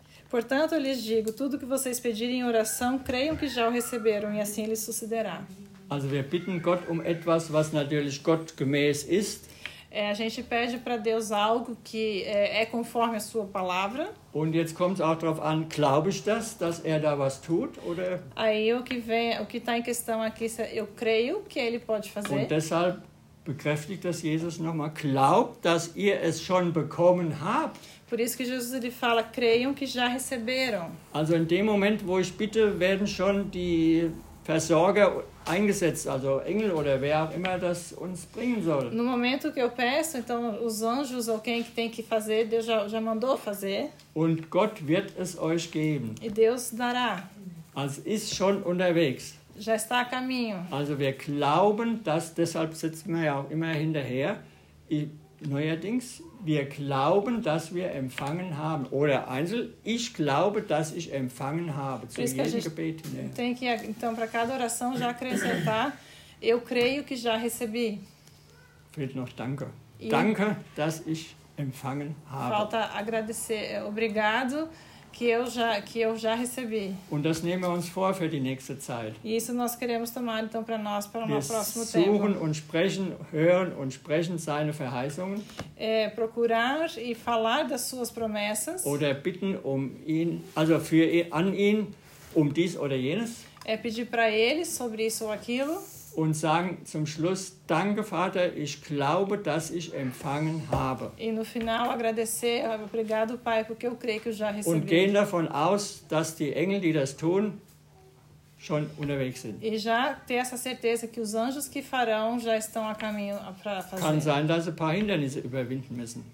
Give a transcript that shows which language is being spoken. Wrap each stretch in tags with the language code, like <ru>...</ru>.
<pt>Portanto, lhes digo, tudo que vocês pedirem em oração, creiam que já o receberam, e assim lhes sucederá.</pt> <de>Also wir bitten Gott um etwas, was natürlich gottgemäß ist.</de> <pt>A gente pede para Deus algo que é conforme a sua palavra.</pt> <de>Und jetzt kommt es auch darauf an, glaube ich das, dass er da was tut, oder?</de> <pt>Aí o que está em questão aqui, eu creio que ele pode fazer.</pt> <de>Und deshalb bekräftigt das Jesus nochmal, glaubt, dass ihr es schon bekommen habt.</de> <pt>Por isso que Jesus ele fala, creiam que já receberam.</pt> <de>Also in dem Moment, wo ich bitte, werden schon die Versorger eingesetzt, also Engel oder wer auch immer das uns bringen soll.</de> <pt>No momento que eu peço, então os anjos ou quem tem que fazer, Deus já mandou fazer.</pt> <de>Und Gott wird es euch geben.</de> <pt>E Deus dará.</pt> <de>Also ist schon unterwegs.</de> <pt>Já está a caminho.</pt> <de>Also wir glauben, dass deshalb sitzen wir ja auch immer hinterher. Neuerdings, wir glauben, dass wir empfangen haben. Oder einzeln, ich glaube, dass ich empfangen habe. Zu jedem Gebet.</de> <pt>Tem que, então, para cada oração já acrescentar, eu creio que já recebi.</pt> <de>Fehlt noch danke. Danke, dass ich empfangen habe.</de> <pt>Falta agradecer. Obrigado, que eu já recebi.</pt> <de>Und das nehmen wir uns vor für die nächste Zeit.</de> <pt>Isso nós queremos tomar então para nós para o nosso próximo tempo.</pt> <de>Suchen und sprechen, hören und sprechen seine Verheißungen.</de> <pt>Procurar e falar das suas promessas.</pt> <de>Oder bitten um ihn, also für an ihn um dies oder jenes.</de> <pt>Pedir para ele sobre isso ou aquilo.</pt> <de>Und sagen zum Schluss, danke Vater, ich glaube, dass ich empfangen habe.</de> <pt>E no final agradecer, obrigado Pai, porque eu creio que eu já recebi.</pt> <de>Und gehen davon aus, dass die Engel, die das tun, schon unterwegs sind.</de> <pt>E já ter essa certeza que os anjos que farão já estão a caminho para fazer.</pt> <de>Kann sein, dass sie ein paar Hindernisse überwinden müssen.</de>